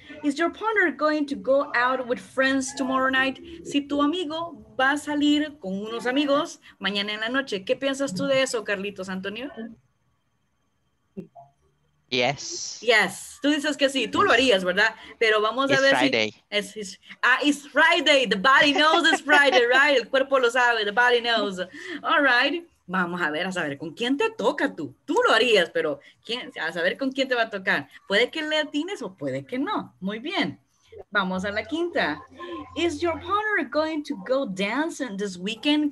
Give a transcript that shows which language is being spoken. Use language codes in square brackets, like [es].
[en] Is your partner going to go out with friends tomorrow night? [es] Si tu amigo va a salir con unos amigos mañana en la noche. ¿Qué piensas tú de eso, Carlitos Antonio? [en] Yes. [es] Yes. Tú dices que sí. Tú lo harías, ¿verdad? Pero vamos a ver. [en] Friday. Si... It's Friday. The body knows it's Friday, right? [es] El cuerpo lo sabe. [en] The body knows. All right. [es] Vamos a saber con quién te toca tú. Tú lo harías, pero ¿quién? A saber con quién te va a tocar. Puede que le atines o puede que no. Muy bien. Vamos a la quinta. [en] Is your partner going to go dancing this weekend?